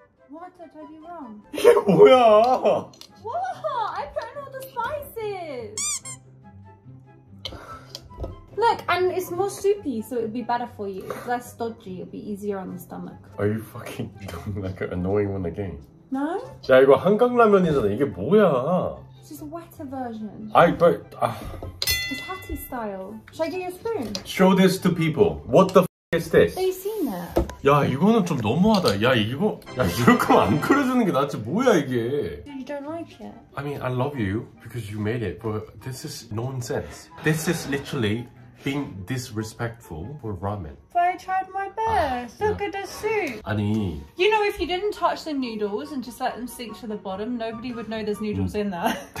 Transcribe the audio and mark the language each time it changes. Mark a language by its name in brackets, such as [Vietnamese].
[English] What did I do wrong? [Korean] 이게 뭐야? [English] Whoa! I put in all the spices! Look, and it's more soupy, so it would be better for you. It's less dodgy, it'd be easier on the stomach. Are you fucking doing like an annoying one again? No? [Korean] 야, 이거 한강라면이잖아. 이게 뭐야? [English] It's just a wetter version. I but It's Hattie style. Should I get you a spoon? Show this to people. What the f*** is this? They've seen it. [Korean] 야 이거는 좀 너무하다. 야 이거 야 이렇게 하면 안 끓여주는 게 낫지 뭐야 이게. [English] You don't like it. I mean I love you because you made it, but this is nonsense. This is literally being disrespectful for ramen. But I tried my best. Look at the soup. [Korean] 아니. [English] You know, if you didn't touch the noodles and just let them sink to the bottom, nobody would know there's noodles in there.